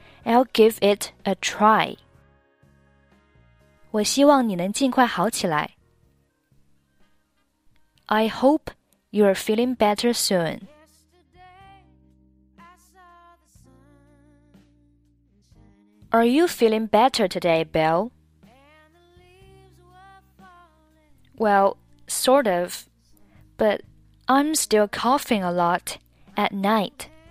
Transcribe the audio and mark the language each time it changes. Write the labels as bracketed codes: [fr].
[en] I'll give it a try. [zh] 我希望你能尽快好起来。 [en] I hope... You are feeling better soon. Are you feeling better today, Bill? Well, sort of. But I'm still coughing a lot at night.